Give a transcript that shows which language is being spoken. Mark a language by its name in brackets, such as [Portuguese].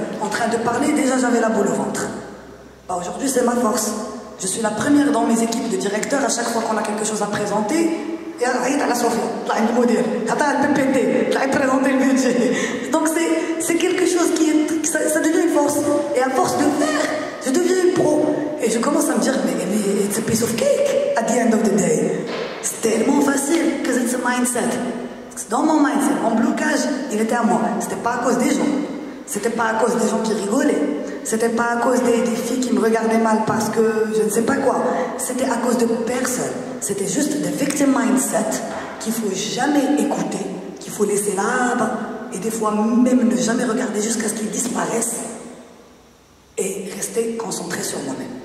[French] train de parler, déjà j'avais la boule au ventre. Bah, aujourd'hui, c'est ma force. Je suis la première dans mes équipes de directeurs à chaque fois qu'on a quelque chose à présenter. Et à la soirée, à la PPT, à présenter le budget. Donc c'est quelque chose qui est, ça devient une force. Et à force de faire, je deviens une pro. Et je commence à me dire, mais [English] it's a piece of cake at the end of the day. [French] C'est tellement facile, [English] because it's a mindset. [French] C'est dans mon mindset, mon blocage, il était à moi. C'était pas à cause des gens. C'était pas à cause des gens qui rigolaient. C'était pas à cause des filles qui me regardaient mal parce que je ne sais pas quoi. C'était à cause de personne. C'était juste des victim mindset qu'il faut jamais écouter, qu'il faut laisser là-bas et des fois même ne jamais regarder jusqu'à ce qu'ils disparaissent et rester concentré sur moi-même.